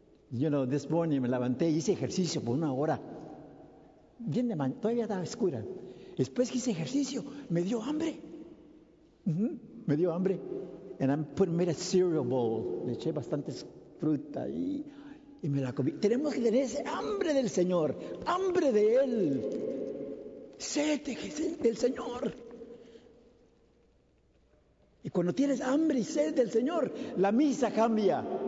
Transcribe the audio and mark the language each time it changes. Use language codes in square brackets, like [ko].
[en] You know, this morning [es] me levanté, hice ejercicio por una hora. Bien de mañana, todavía estaba oscura. Después que hice ejercicio, me dio hambre. Me dio hambre. [en] And I'm putting, made a cereal bowl. [es] Le eché bastantes fruta y me la comí. Tenemos que tener ese hambre del Señor, hambre de Él, sed del Señor. Y cuando tienes hambre y sed del Señor, la misa cambia.